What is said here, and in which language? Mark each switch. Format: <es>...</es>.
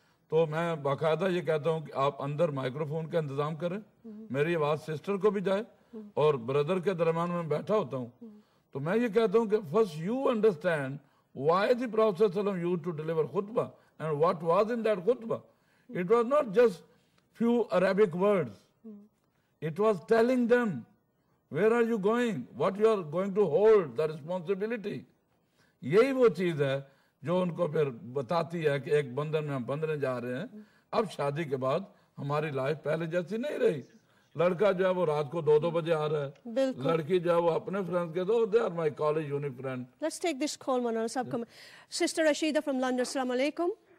<ur>تو میں باقاعدہ یہ کہتا ہوں کہ آپ اندر مائکروفون کا انتظام کریں, میری آواز سسٹر کو بھی جائے اور بردر کے درمیان میں بیٹھا ہوتا ہوں, تو میں یہ کہتا ہوں کہ</ur> <en>First you understand why the professor صلی اللہ علیہ وسلم یوز ٹو ڈیلیور خطبہ and what was in that khutbah. It was not just few Arabic words. It was telling them, where are you going? What you are going to hold the responsibility?</en> <ur>یہی وہ چیز ہے جو ان کو پھر بتاتی ہے کہ ایک بندھن میں ہم بندھنے جا رہے ہیں. اب شادی کے بعد ہماری لائف پہلے جیسی نہیں رہی. لڑکا جو ہے وہ رات کو 2-2 بجے آ رہا ہے, لڑکی جو ہے وہ اپنے فرینڈ کے دو,</ur> <en>They are my college uni friend. Let's take this call. مولانا صاحب come. Sister Rashida from London, السلام علیکم.</en>